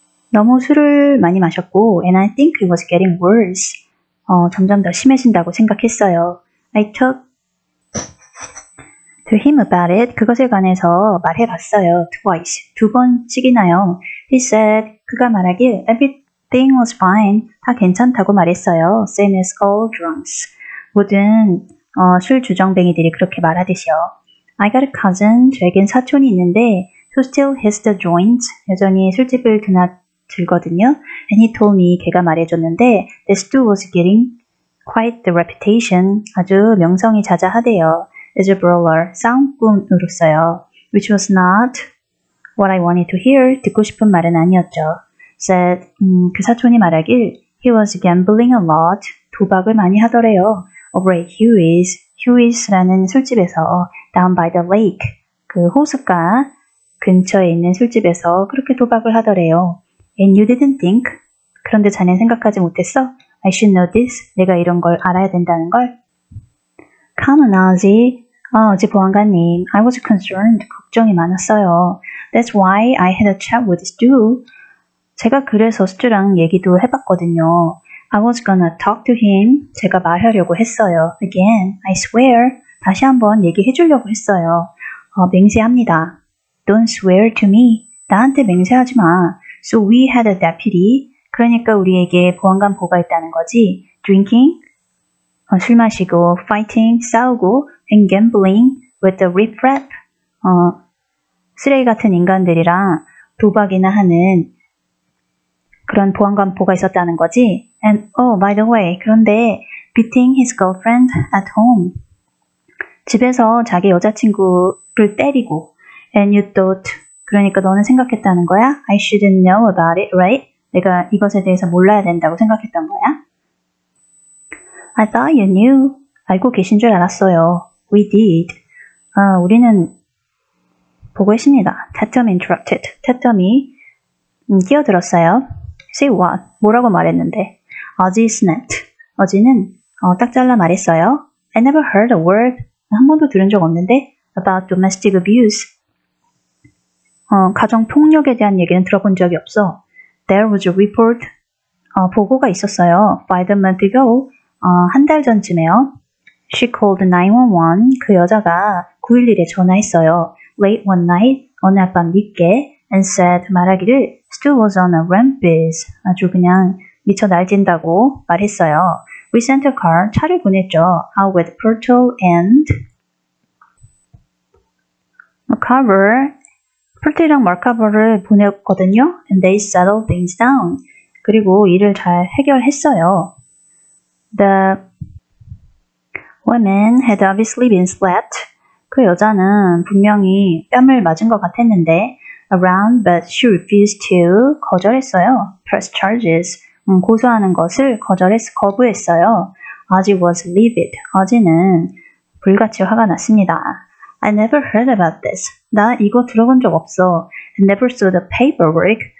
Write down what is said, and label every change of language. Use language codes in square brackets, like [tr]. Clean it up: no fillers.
[ko] 너무 술을 많이 마셨고, [en] and I think it was getting worse. [ko] 점점 더 심해진다고 생각했어요. [en] I talked to him about it. [ko] 그것에 관해서 말해봤어요. [en] Twice. [ko] 두 번씩이나요. [en] He said, [ko] 그가 말하길, [en] everything was fine. [ko] 다 괜찮다고 말했어요. [en] Same as all drunks. [ko] 모든 술 주정뱅이들이 그렇게 말하듯이요. [en] I got a cousin. [ko] 저에겐 사촌이 있는데, [en] who still has the joint. [ko] 여전히 술집을 드나 들거든요. [en] And he told me, [ko] 걔가 말해줬는데, [en] the stew was getting quite the reputation. [ko] 아주 명성이 자자하대요. [en] As a brawler, [ko] 싸움꾼으로서요. [en] Which was not what I wanted to hear. [ko] 듣고 싶은 말은 아니었죠. [en] Said, [ko] 그 사촌이 말하길, [en] he was gambling a lot. [ko] 도박을 많이 하더래요. [en] Over at [ko] Hughes라는 술집에서, [en] down by the lake, [ko] 그 호숫가 근처에 있는 술집에서 그렇게 도박을 하더래요. [en] And you didn't think? [ko] 그런데 자넨 생각하지 못했어? [en] I should know this. [ko] 내가 이런 걸 알아야 된다는 걸? [en] Come on, Ozzy. [ko] 어제 보안관님, [en] I was concerned. [ko] 걱정이 많았어요. [en] That's why I had a chat with Stu. [ko] 제가 그래서 스튜랑 얘기도 해봤거든요. [en] I was gonna talk to him. [ko] 제가 말하려고 했어요. [en] Again, I swear. [ko] 다시 한번 얘기해 주려고 했어요. 맹세합니다. [en] Don't swear to me. [ko] 나한테 맹세하지 마. [en] So we had a deputy. [ko] 그러니까 우리에게 보안관 보가 있다는 거지. [en] Drinking. [ko] 술 마시고, [en] fighting. [ko] 싸우고, [en] and gambling with the riffraff. [ko] 쓰레기 같은 인간들이랑 도박이나 하는 그런 보안관 보가 있었다는 거지. [en] And, oh, by the way. [ko] 그런데, [en] beating his girlfriend at home. [ko] 집에서 자기 여자친구를 때리고, [en] and you thought, [ko] 그러니까 너는 생각했다는 거야? [en] I shouldn't know about it, right? [ko] 내가 이것에 대해서 몰라야 된다고 생각했던 거야? [en] I thought you knew. [ko] 알고 계신 줄 알았어요. [en] We did. [ko] 우리는 보고 있습니다. [en] Tatum interrupted. [ko] Tatum이 끼어들었어요. [en] Say what? [ko] 뭐라고 말했는데? [en] Ozzy snapped. [ko] Ozzy는 딱 잘라 말했어요. [en] I never heard a word. [ko] 한 번도 들은 적 없는데? [en] About domestic abuse. [ko] 가정폭력에 대한 얘기는 들어본 적이 없어. [en] There was a report. [ko] 보고가 있었어요. [en] 5 months ago. [ko] 한달 전쯤에요. [en] She called 911. [ko] 그 여자가 911에 전화했어요. [en] Late one night. [ko] 어느 밤 늦게. [en] And said 말하기를 Stu was on a rampage. [ko] 아주 그냥 미쳐 날뛴다고 말했어요. [en] We sent a car. [ko] 차를 보냈죠. [en] Out with Pertle and McCarver. [ko] Pertle이랑 McCarver를 보냈거든요. [en] And they settled things down. [ko] 그리고 일을 잘 해결했어요. [en] The women had obviously been slapped. [ko] 그 여자는 분명히 뺨을 맞은 것 같았는데, [en] around, but she refused to. [ko] 거절했어요. [en] Press charges. [ko] 고소하는 것을 거부했어요. [en] Ozzy was livid. [ko] 어지는 불같이 화가 났습니다. [en] I never heard about this. [ko] 나 이거 들어본 적 없어. [en] I never saw the paperwork.